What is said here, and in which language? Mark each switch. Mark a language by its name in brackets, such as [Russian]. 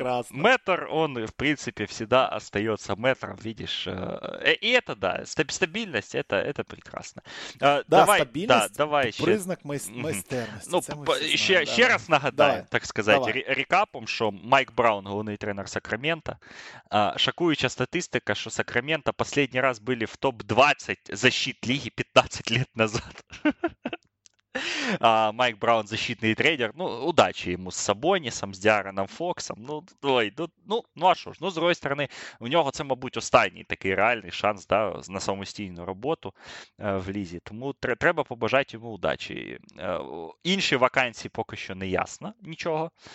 [Russian] Метр, он, в принципі, всегда остается метром, видиш. [Ukrainian] І це, да, стабільність, це прекрасно. Давай ще. Признак майстерності. Ну, ще раз нагадаю, так сказати, рекапом, що Майк Браун, головний тренер Сакраменто, шокуюча статистика, що Сакраменто [Russian] последний раз [Ukrainian] були в топ-20 защит ліги 15 років назад. [Russian] Майк Браун защитный тренер. [Ukrainian] Ну, [Russian] удачи ему [Ukrainian] з Сабонісом, з Діароном Фоксом. Ну, ой, ну а що ж? Ну, з другої сторони, у нього це, мабуть, останній такий реальний шанс, да, на самостійну роботу в лізі. Тому треба побажати йому удачі. Інші вакансії поки що не ясно, нічого.